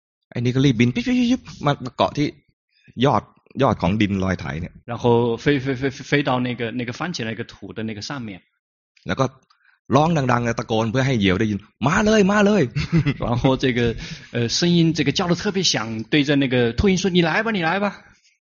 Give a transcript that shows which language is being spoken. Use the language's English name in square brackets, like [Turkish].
[Thai] 哎， [Chinese] 那个里边， [Thai] มาเกาะที่ยอดยอดของดินลอยไถเนี่ย。 [Chinese] 然后飞到那个翻起来那个土的那个上面。 [Thai] แล้วก็ร้องดังๆตะโกนเพื่อให้เหยี่ยวได้ยินมาเลยมาเลย。 [Chinese] 然后这个声音这个叫的特别响，对着那个秃鹰说：“你来吧，你来吧。”